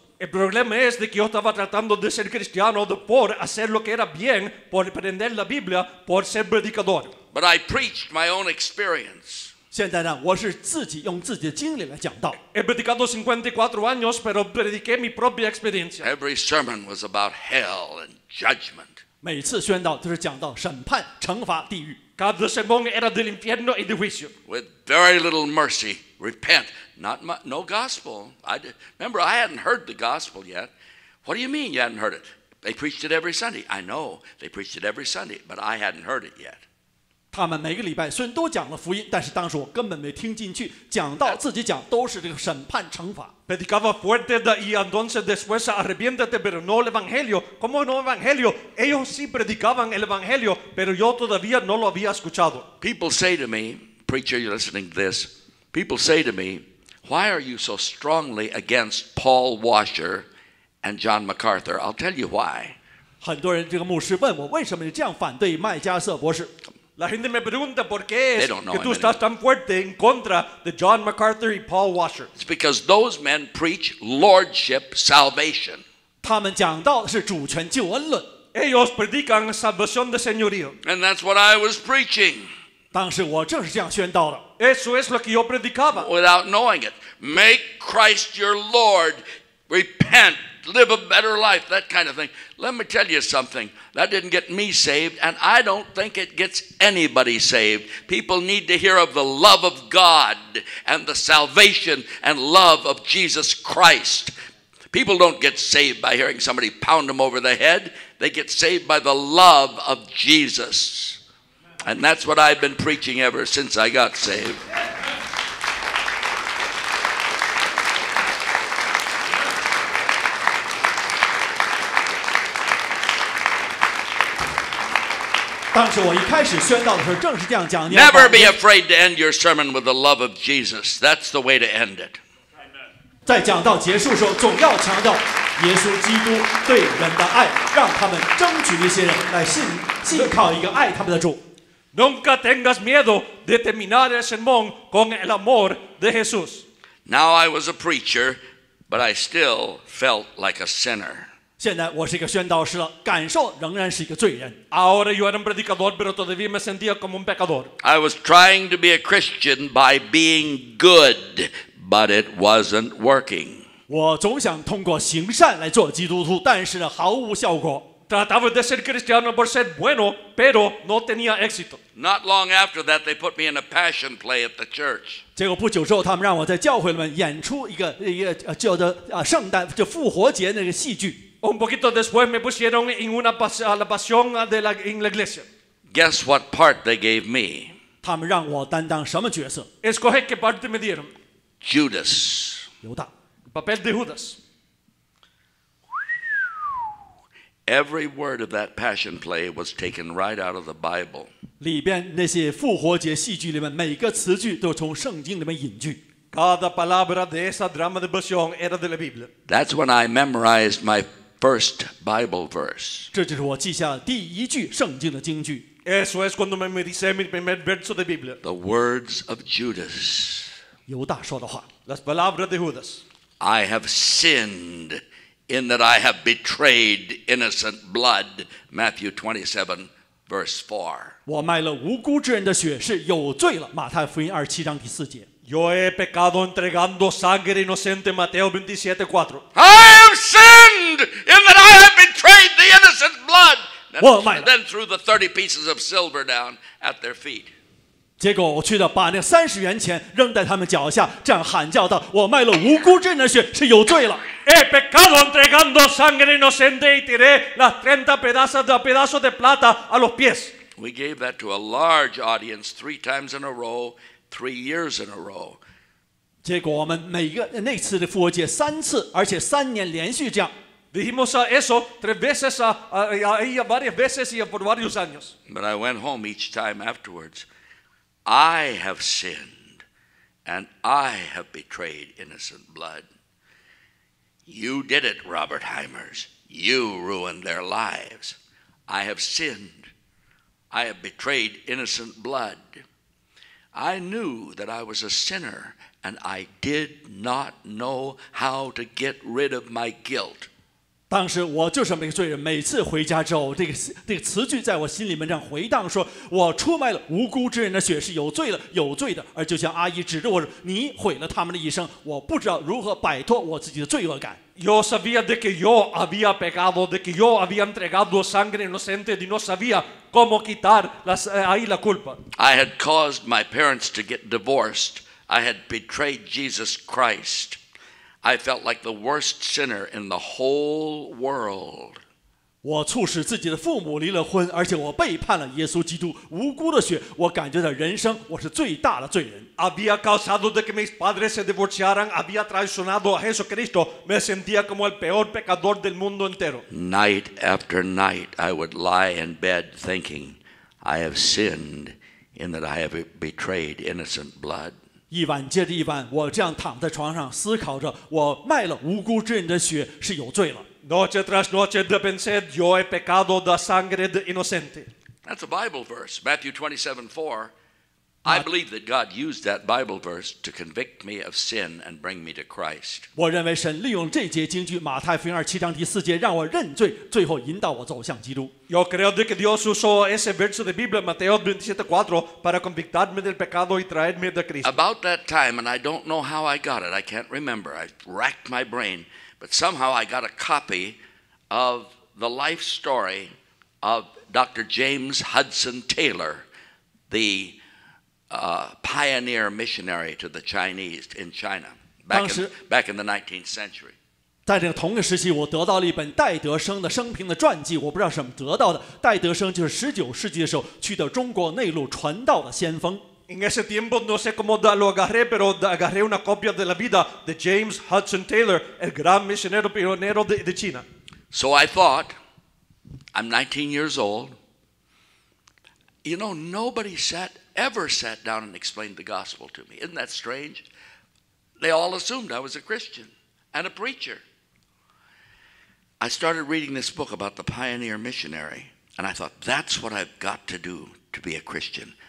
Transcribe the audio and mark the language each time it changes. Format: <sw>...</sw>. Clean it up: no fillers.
<es>El problema es de que yo estaba tratando de ser cristiano por hacer lo que era bien, por aprender la Biblia, por ser predicador.</es> <en>But I preached my own experience.</en> <zh>现在呢，我是自己用自己的经历来讲道。</zh> <es>He predicado 54 años, pero prediqué mi propia experiencia.</es> <en>Every sermon was about hell and judgment.</en> <zh>每次宣道都是讲到审判、惩罚、地狱。</zh> <es>Cada sermón era del infierno y del juicio.</es> <en>With very little mercy, repent. No gospel. Remember, I hadn't heard the gospel yet. What do you mean you hadn't heard it? They preached it every Sunday. I know they preached it every Sunday, but I hadn't heard it yet.</en> <zh>他们每个礼拜虽然都讲了福音，但是当时我根本没听进去。讲到自己讲都是这个审判惩罚。</zh> <es>Predicaba fuerte y entonces después arrepiéntete, pero no el evangelio. ¿Cómo no evangelio? Ellos sí predicaban el evangelio, pero yo todavía no lo había escuchado.</es> <en>People say to me, preacher, you're listening to this. People say to me.Why are you so strongly against Paul Washer and John MacArthur. I'll tell you why.</en> <zh>很多人这个牧师问我为什么这样反对麦加瑟博士。</zh> <es>La gente me pregunta por qué es que tú estás tan fuerte en contra de John MacArthur y Paul Washer.</es> <en>It's because those men preach lordship salvation.</en> <zh>他们讲到的是主权救恩论。</zh> <es>Ellos predican salvación de señorío.</es> <en>And that's what I was preaching.</en> <zh>当时我正是这样宣道的。</zh> <es>Eso es lo que yo predicaba.</es> <en>Without knowing it, make Christ your Lord, repent. Live a better life, that kind of thing. Let me tell you something. That didn't get me saved, and I don't think it gets anybody saved. People need to hear of the love of God and the salvation and love of Jesus Christ. People don't get saved by hearing somebody pound them over the head. They get saved by the love of Jesus. And that's what I've been preaching ever since I got saved. Never be afraid to end your sermon with the love of Jesus. That's the way to end it.</en> <zh>在讲到结束的时候，总要强调耶稣基督对人的爱，让他们争取那些人来信靠一个爱他们的主。</zh> <es>Nunca tengas miedo de terminar el sermón con el amor de Jesús.</es> <en>Now I was a preacher, but I still felt like a sinner.</en> <zh>现在我是一个宣道师了，感受仍然是一个罪人。</zh> <es>Ahora yo era un predicador, pero todavía me sentía como un pecador.</es> <en>I was trying to be a Christian by being good, but it wasn't working.</en> <zh>我总想通过行善来做基督徒，但是呢，毫无效果。</zh> <es>Trataba de ser cristiano por ser bueno, pero no tenía éxito.</es> <en>Not long after that, they put me in a passion play at the church.</en> <zh>结果不久之后，他们让我在教会里面演出一个叫的圣诞就复活节那个戏剧。</zh> <es>Un poquito después me pusieron en una pasión de la, en la iglesia.</es> <en>Guess what part they gave me?</en> <zh>他们让我担当什么角色？</zh> <es>Escoge qué parte me dieron.</es> <en>Judas.</en> <zh>犹大.</zh> <es>Papel de Judas.</es> <en>Every word of that passion play was taken right out of the Bible.</en> <zh>里边那些复活节戏剧里面每个词句都从圣经里面引据。</zh> <es>Cada palabra de esa drama de pasión era de la Biblia.</es> <en>That's when I memorized my first Bible verse.</en> <zh>这就是我记下第一句圣经的经句。</zh> <es>Eso es cuando me memoricé mi primer verso de Biblia.</es> <en>The words of Judas.</en> <zh>犹大说的话。</zh> <es>Las palabras de Judas.</es> <en>I have sinned in that I have betrayed innocent blood. Matthew 27, verse 4.</en> <zh>我卖了无辜之人的血是有罪了。马太福音二十七章第四节。</zh> <es>Yo he pecado entregando sangre inocente, Mateo 27:4.</es> <en>I have sinned in that I have betrayed the innocent blood. And then threw the 30 pieces of silver down at their feet.</en> <zh>结果我去的把那三十元钱扔在他们脚下，这样喊叫道：“我卖了无辜之人的血是有罪了。”</zh> <es>He pecado entregando sangre inocente y tiré las 30 pedazos de plata a los pies.</es> <en>We gave that to a large audience three times in a row. 3 years in a row.</en> <zh>结果我们每个那次的复活节三次，而且三年连续这样。</zh> <es>Dijimos eso tres veces y varias veces y por varios años.</es> <en>But I went home each time afterwards. I have sinned, and I have betrayed innocent blood. You did it, Robert Hymers. You ruined their lives. I have sinned. I have betrayed innocent blood. I knew that I was a sinner, and I did not know how to get rid of my guilt.</en> <zh>当时我就是那个罪人，每次回家之后，这个词句在我心里面这样回荡，说我出卖了无辜之人的血是有罪的，有罪的。而就像阿姨指着我说：“你毁了他们的一生。” 我不知道如何摆脱我自己的罪恶感。</zh> <es>Yo sabía de que yo había pecado, de que yo había entregado sangre inocente y no sabía cómo quitar ahí la culpa.</es> <en>I had caused my parents to get divorced. I had betrayed Jesus Christ. I felt like the worst sinner in the whole world.</en> <zh>我促使自己的父母离了婚，而且我背叛了耶稣基督，无辜的血，我感觉到人生我是最大的罪人。</zh> <es>Había causado de que mis padres se divorciaran, había traicionado a Jesucristo, me sentía como el peor pecador del mundo entero.</es> <en>Night after night, I would lie in bed thinking, I have sinned in that I have betrayed innocent blood.</en> <zh>一晚接着一晚，我这样躺在床上思考着，我卖了无辜之人的血是有罪了。</zh> <es>Noche tras noche de pensar, yo he pecado de sangre de inocente.</es> <en>That's a Bible verse, Matthew 27:4. I believe that God used that Bible verse to convict me of sin and bring me to Christ.</en> <zh>我认为神利用这节经句马太福音二七章第四节让我认罪，最后引导我走向基督。</zh> <es>Yo creo que Dios usó ese verso de Biblia Mateo 27:4 para convictarme del pecado y traerme de Cristo.</es> <en>About that time, and I don't know how I got it. I can't remember. I racked my brain, but somehow I got a copy of the life story of Dr. James Hudson Taylor, the pioneer missionary to the Chinese in China back in the 19th century.</en> <zh>在这个同个时期，我得到了一本戴德生的生平的传记。我不知道什么得到的。戴德生就是19世纪的时候去的中国内陆传道的先锋。</zh> <es>En ese tiempo no sé cómo lo agarré, pero agarré una copia de la vida de James Hudson Taylor, el gran misionero pionero de China.</es> <en>So I thought, I'm 19 years old. You know, nobody ever sat down and explained the gospel to me. Isn't that strange? They all assumed I was a Christian and a preacher. I started reading this book about the pioneer missionary, and I thought, that's what I've got to do to be a Christian.</en>